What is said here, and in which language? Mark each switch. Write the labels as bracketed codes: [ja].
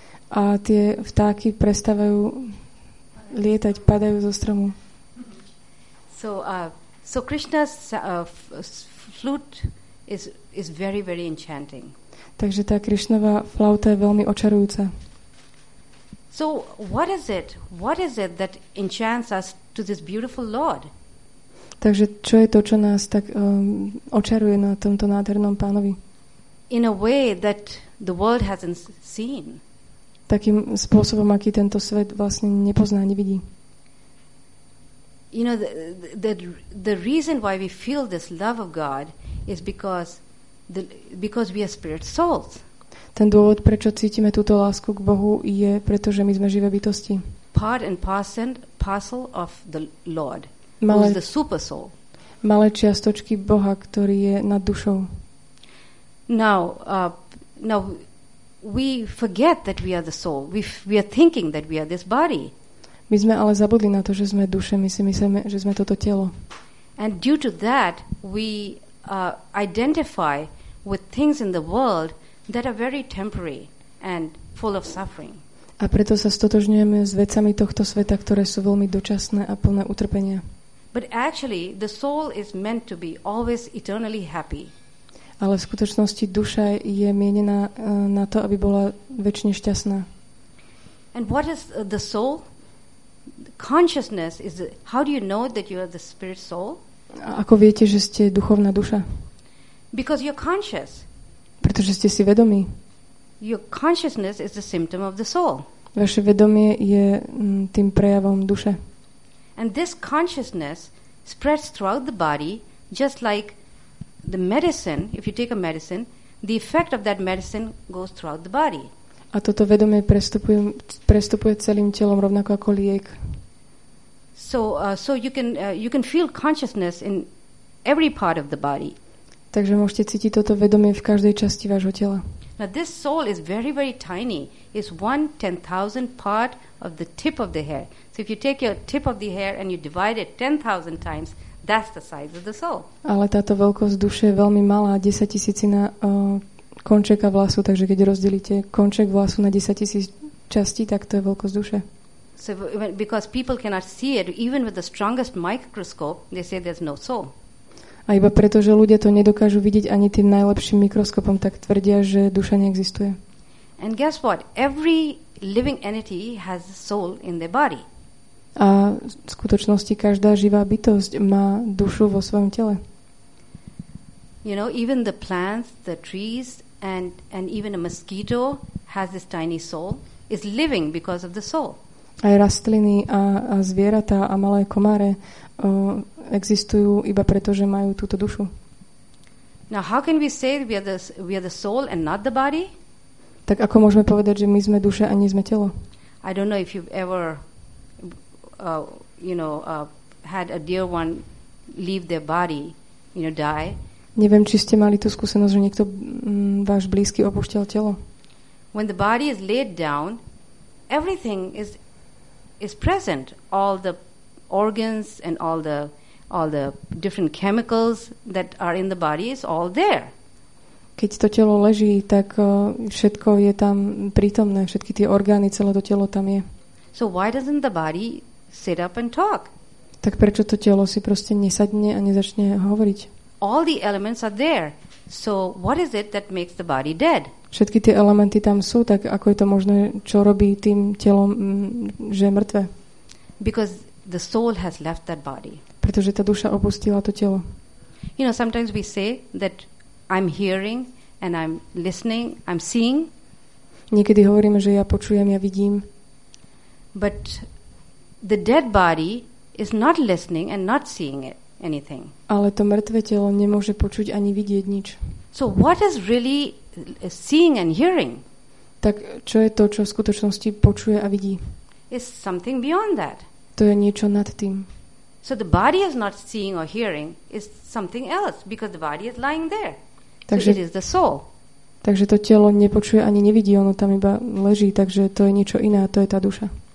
[sk] A tie vtáky prestávajú lietať, padajú zo stromu. [en] So Krishna's flute is very very enchanting. [sk] Takže tá Krishnova flauta je veľmi očarujúca. [en] So what is it that enchants us to this beautiful Lord? [sk] Takže čo je to, čo nás tak očaruje na tomto nádhernom pánovi? [en] In a way that the world hasn't seen. [sk] Takým spôsobom, aký tento svet vlastne nepozná, nevidí. [en] You know, the reason why we feel this love of God is because we are spirit souls. [sk] Ten dôvod, prečo cítime túto lásku k Bohu, je preto, že my sme živé bytosti. [en] Part and parcel of the Lord, who is the super soul. [sk] Malé čiastočky Boha, ktorý je nad dušou. [en] Now we forget that we are the soul. We are thinking that we are this body. [sk] My sme ale zabudli na to, že sme duše. My si myslíme, že sme toto telo. [en] And due to that, we identify with things in the world that are very temporary and full of suffering. [sk] A preto sa stotožňujeme s vecami tohto sveta, ktoré sú veľmi dočasné a plné utrpenia. [en] But actually, the soul is meant to be always eternally happy. [sk] Ale v skutočnosti duša je mienená na to, aby bola večne šťastná. [en] And what is the soul? Consciousness is how do you know that you are the spirit soul? [sk] A ako viete, že ste duchovná duša? [en] Because you're conscious. [sk] Pretože ste si vedomí. [en] Your consciousness is the symptom of the soul. [sk] Vaše vedomie je tým prejavom duše. [en] And this consciousness spreads throughout the body just like the medicine, if you take a medicine, the effect of that medicine goes throughout the body. [sk] A toto vedomie prestupuje celým telom rovnako ako liek. [en] So you can feel consciousness in every part of the body. [sk] Takže môžete cítiť toto vedomie v každej časti vášho tela. [en] Now this soul is very very tiny. It's 1/10,000 part of the tip of the hair. So if you take your tip of the hair and you divide it 10,000 times, That's the size of the soul. [sk] Ale táto veľkosť duše je veľmi malá, 10 tisícina končeka vlasu, takže keď rozdelíte konček vlasu na 10 tisíc častí, tak to je veľkosť duše. [en] So because people cannot see it even with the strongest microscope, they say there's no soul. [sk] A iba preto, že ľudia to nedokážu vidieť ani tým najlepším mikroskopom, tak tvrdia, že duša neexistuje. [en] And guess what? Every living entity has a soul in their body. [sk] A v skutočnosti každá živá bytosť má dušu vo svojom tele. [en] You know, even the plants, the trees and even a mosquito has this tiny soul. It's living because of the soul. [sk] Aj rastliny a zvieratá a malé komáre existujú iba preto, že majú túto dušu. [en] Now how can we say we are the soul and not the body? [sk] Tak ako môžeme povedať, že my sme duše a nie sme telo? [en] I don't know if you've ever had a dear one leave their body, you know, die. [sk] Neviem, či ste mali tú skúsenosť, že niekto váš blízky opúšťal telo. [en] When the body is laid down, everything is present, all the organs and all the different chemicals that are in the body is all there. [sk] Keď to telo leží, tak všetko je tam prítomné, všetky tie orgány, celé to telo tam je. [en] So why doesn't the body sit up and talk? [sk] Tak prečo to telo si proste nesadne a nezačne hovoriť? [en] All the elements are there. So what is it that makes the body dead? [sk] Všetky tie elementy tam sú, tak ako je to možné, čo robí tým telom, že je mŕtve? [en] Because the soul has left that body. [sk] Pretože tá duša opustila to telo. [en] You know, sometimes we say that I'm hearing and I'm listening, I'm seeing. [sk] Niekedy hovoríme, že ja počujem, ja vidím. [en] But the dead body is not listening and not seeing it, anything. [sk] Ale to mŕtve telo nemôže počuť ani vidieť nič. [en] So what is really seeing and hearing? [sk] Tak čo je to, čo v skutočnosti počuje a vidí? [en] Is something beyond that. [sk] To je niečo nad tým. [en] So the body is not seeing or hearing, is something else because the body is lying there. [sk] Takže, [en] so it is the soul. [sk] Takže to telo nepočuje ani nevidí, ono tam iba leží, takže to je niečo iné, to je tá duša.